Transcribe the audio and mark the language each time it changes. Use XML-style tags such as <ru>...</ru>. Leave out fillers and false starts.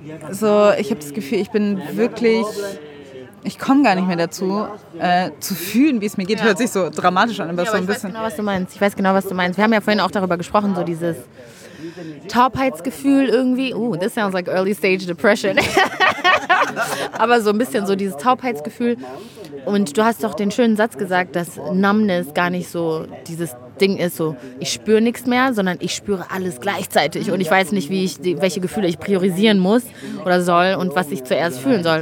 <de>So, ich habe das Gefühl, ich bin wirklich, ich komme gar nicht mehr dazu, zu fühlen, wie es mir geht. Hört sich so dramatisch an, aber so ein bisschen. Ich weiß genau, was du meinst. Wir haben ja vorhin auch darüber gesprochen, so dieses Taubheitsgefühl irgendwie.</de> <en>This sounds like early stage depression.</en> <de>Aber so ein bisschen so dieses Taubheitsgefühl. Und du hast doch den schönen Satz gesagt, dass Numbness gar nicht so dieses Ding ist, so ich spüre nichts mehr, sondern ich spüre alles gleichzeitig und ich weiß nicht, welche Gefühle ich priorisieren muss oder soll und was ich zuerst fühlen soll.</de>